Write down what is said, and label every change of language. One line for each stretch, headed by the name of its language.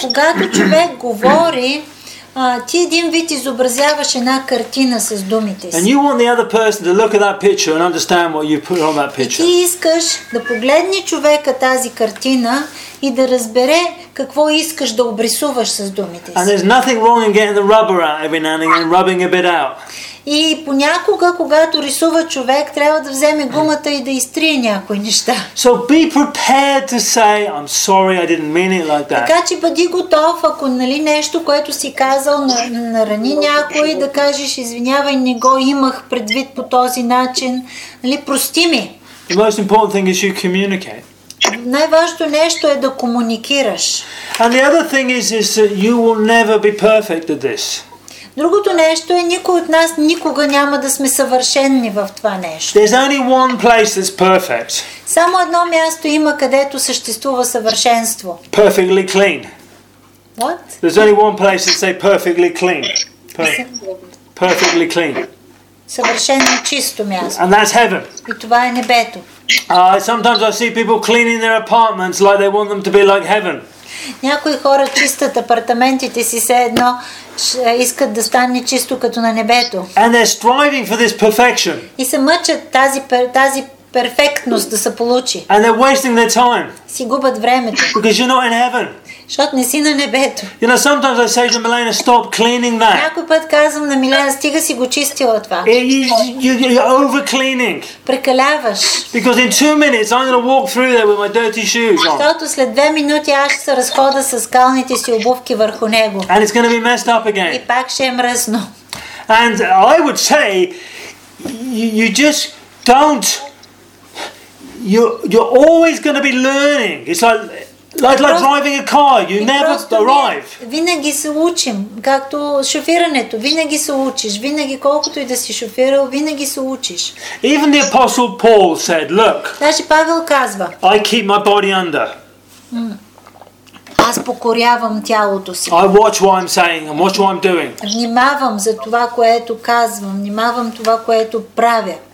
Bulgarian: Когато човек говори, ти един вид изобразяваш една картина с думите си.
English: And you want the other person to look at that picture and understand what you put on that picture.
Bulgarian: И ти искаш да погледне човека тази картина и да разбере какво искаш да обрисуваш с думите си.
English: And there's nothing wrong in getting the rubber out every now and again and rubbing a bit out.
Bulgarian: И понякога, когато рисува човек, трябва да вземе гумата и да изтрие някои неща.
English: So be prepared to say, I'm sorry, I didn't mean it like that.
Bulgarian: Така че бъди готов, ако, нали, нещо, което си казал, нарани някой, да кажеш, извинявай, не го имах предвид по този начин, нали, прости ми.
English: The most important thing is you communicate.
Bulgarian: Най-важното нещо е да комуникираш.
English: And the other thing is that you will never be perfect at this.
Bulgarian: Другото нещо е, никой от нас никога няма да сме съвършенни в това нещо.
English: There's only one place that's perfect.
Bulgarian: Само едно място има, където съществува съвършенство.
English: Perfectly clean. What? There's only one place that say perfectly clean. Perfectly clean.
Bulgarian: Съвършено чисто място.
English: And that's heaven.
Bulgarian: И това е небето.
English: Sometimes I see people cleaning their apartments like they want them to be like heaven.
Bulgarian: Някои хора чистят апартаментите си все едно искат да стане чисто като на небето.
English: And they're striving for this perfection.
Bulgarian: И се мъчат тази перфектност да се получи.
English: And they're wasting their time.
Bulgarian: Си губят времето.
English: Because you're not in heaven.
Bulgarian: Защото не си на небето.
English: You know, sometimes I say to Milena, stop cleaning that.
Bulgarian: Някой път казвам на Милена, стига си го чистила това.
English: You're overcleaning.
Bulgarian: Прекаляваш.
English: Because in 2 minutes I'm gonna walk through there with my dirty shoes on.
Bulgarian: Защото след 2 минути аз ще се разхода с скалните си обувки върху него.
English: And it's gonna be messed up again.
Bulgarian: И пак ще е мръсно.
English: And I would say, you just don't. You're always gonna be learning. It's like driving a car, you never arrive.
Bulgarian: Винаги се учим, както шофирането, винаги се учиш, винаги колкото и да си шофирал, винаги се учиш.
English: Even the apostle Paul said, look.
Bulgarian: Даже Павел казва.
English: I keep my body under.
Bulgarian: Аз покорявам тялото си.
English: I watch what I'm saying and watch what I'm doing.
Bulgarian: Внимавам за това, което казвам, внимавам това, което правя.